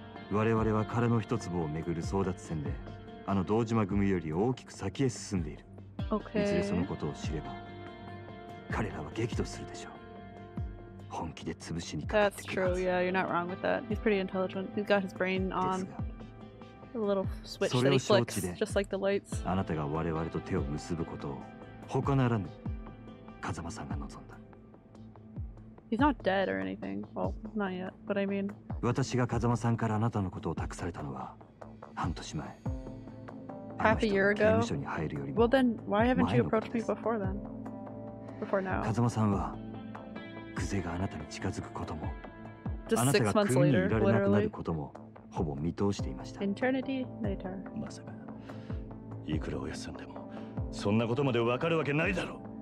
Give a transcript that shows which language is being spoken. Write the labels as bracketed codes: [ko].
[ja] 我々は殻の一粒をめぐる争奪戦で、あの堂島組より大きく先へ進んでいる。 [en] Okay. [ja] いずれそのことを知れば、彼らは激怒するでしょう。本気で潰しにかかってきます。 [en] That's true. Yeah, you're not wrong with that. He's pretty intelligent. He's got his brain on. A little switch that he flicks, just like the lights. [ja] あなたが我々と手を結ぶことを他ならぬ風間さんが望んだ。 [en] He's not dead or anything. Well, not yet, but I mean. [ja] 私が風間さんからあなたのことを託されたのは半年前。 [en] Half a year ago. Well, then why haven't you approached me before then? Before now. [ja] 風間さんはクゼがあなたに近づくことも、あなたが国にいられなくなることもほぼ見通していました。 [en] Eternity later. [ja] まさか、いくらお休んでもそんなことまでわかるわけないだろう。